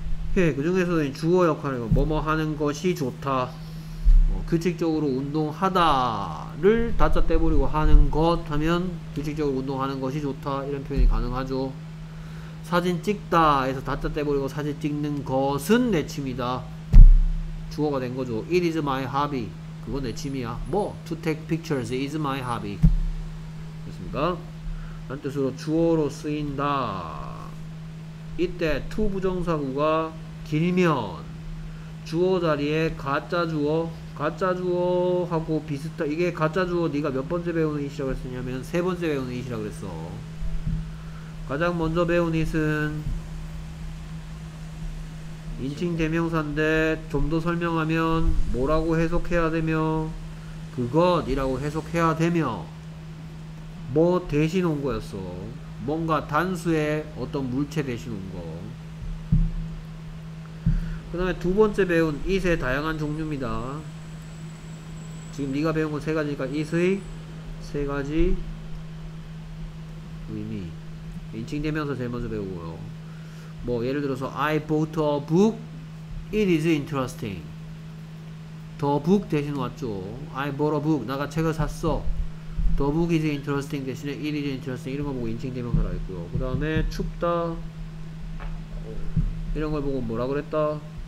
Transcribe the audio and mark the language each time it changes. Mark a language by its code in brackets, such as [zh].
[ko] 오케이. 그 중에서 주어 역할은 뭐뭐 하는 것이 좋다 규칙적으로 운동하다를 다짜 떼버리고 하는 것 하면 규칙적으로 운동하는 것이 좋다 이런 표현이 가능하죠. 사진 찍다 해서 다짜 떼버리고 사진 찍는 것은 내 취미다. 주어가 된 거죠. [en] It is my hobby. [ko] 그건 내 취미야. [en] 뭐 to take pictures is my hobby. [ko] 됐습니까? 라는 뜻으로 주어로 쓰인다. 이때 to 부정사구가 길면 주어 자리에 가짜 주어, 가짜 주어하고 비슷한, 이게 가짜 주어 네가 몇 번째 배우는 이시라고 했었냐면 세 번째 배우는 이시라고 그랬어. 가장 먼저 배운 it은 인칭 대명사인데 좀 더 설명하면 뭐라고 해석해야 되며 그것이라고 해석해야 되며 뭐 대신 온 거였어. 뭔가 단수의 어떤 물체 대신 온 거. 그 다음에 두 번째 배운 it의 다양한 종류입니다. 지금 네가 배운 건 세 가지니까 it의 세 가지 의미. 인칭 대명사 제일 먼저 배우고요. 뭐 예를 들어서 [en] I bought a book. It is interesting. The book [ko] 대신 왔죠. [en] I bought a book. [ko] 내가 책을 샀어. [en] The book is interesting [ko] 대신에 [en] It is interesting [ko] 이런 거 보고 인칭 대명사라고 했고요. 그 다음에 춥다 이런 걸 보고 뭐라 그랬다?